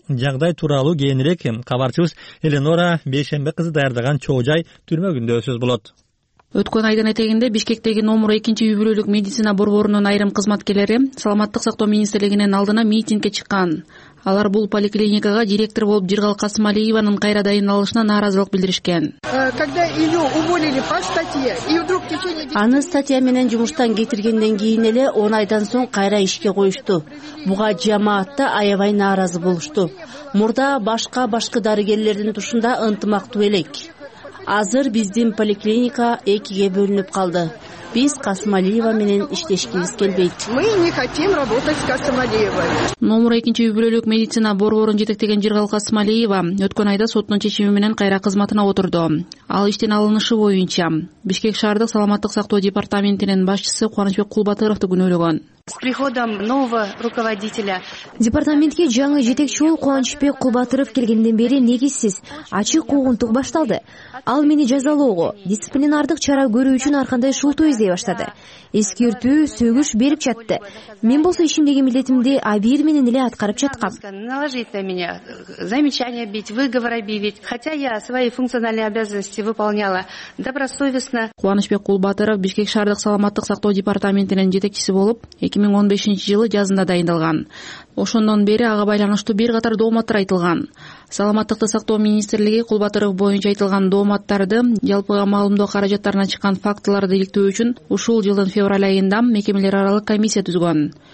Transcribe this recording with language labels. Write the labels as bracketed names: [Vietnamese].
[Kyrgyz] Жагдай тууралуу кийинирээк кабарчыбыз Эленора Бейшенбек кызы даярдаган чоо жай түрмө күндө сөз болот. Өткөн айдын этегинде Бишкектеги номер 2 үй бүлөлүк медицина борборунун айрым кызматкерлери Саламаттык сактоо министрлигинин алдына митингге чыккан. Алар бул поликлиникага директор болуп Жыргал Касымалиеванын кайра дайындалышына нааразылык билдиришкен. [Russian] Когда её уволили по статье, и вдруг в течение [Kyrgyz] аны статья менен жумуштан кетиргенден кийин эле 10 айдан соң кайра ишке коюшту. Буга жамаатта аябай нааразы болушту. Мурда башка дарыгерлердин тушунда ынтымактуу элек. Азыр биздин поликлиника экиге бөлүнүп калды. Биз Касымалиева менен иштешкибиз келбейт. [Russian] Мы не хотим работать с Касымалиевой. [Kyrgyz] Номер 2 үй бүлөлүк медицина борборун жетектеген Жыргал Касымалиева өткөн айда соттун чечими менен кайра кызматына отурду. Ал иштен алынышы боюнча Бишкек шаардык саламаттык сактоо департаментинин башчысы Кубанычбек Кулбатыровду күнөөлөгөн. [Russian] С приходом нового руководителя [Kyrgyz] департаментке жаңы жетекчи болуп Кубанычбек Кулбатыров келгенден бери негизсиз ачык куугунтук башталды. Ал мени жазалоого, дисциплинардык чара көрүү үчүн ар кандай шылтоо издей баштады. Эскертүү, сөгүш берип жатты. Мен болсо ишимдеги милдетимди абийир менен эле аткарып жаткам. [Russian] Наложить на меня замечания бить, выговор объявить, хотя я свои функциональные обязанности выполняла добросовестно. [Kyrgyz] Кубанычбек Кулбатыров Бишкек шаардык саламаттык сактоо департаментинин жетекчиси болуп 2015 жылы жазында дайындалган. Ошондон бери ага байланыштуу бир катар дооматтар айтылган. Саламаттыкты сактоо министрлиги Кулбатыров боюнча айтылган дооматтарды жалпыга маалымдоо каражаттарына чыккан фактыларды иликтөө үчүн ушул жылдын февраль айында мекемелер аралык комиссия түзгөн.